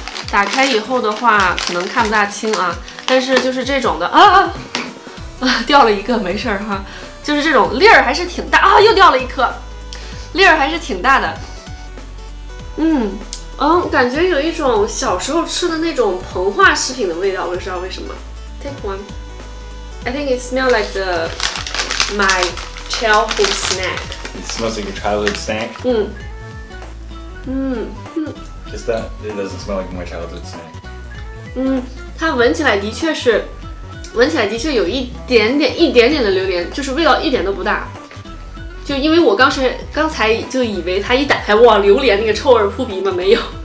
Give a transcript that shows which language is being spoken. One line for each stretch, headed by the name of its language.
Chinese: 打开以后的话可能看不大清啊，但是就是这种的啊啊，掉了一个没事哈，就是这种粒儿还是挺大啊，又掉了一颗。粒儿还是挺大的，嗯，哦，感觉有一种小时候吃的那种膨化食品的味道，我不知道为什么。
English: Take one. I think it smells like the my childhood snack. It smells like a childhood snack. 嗯，嗯，嗯。 Just that it doesn't smell like my childhood snack.
Chinese: 嗯，它闻起来的确是，闻起来的确有一点点、一点点的榴莲，就是味道一点都不大。就因为我刚才就以为他一打开哇榴莲那个臭味扑鼻嘛，没有。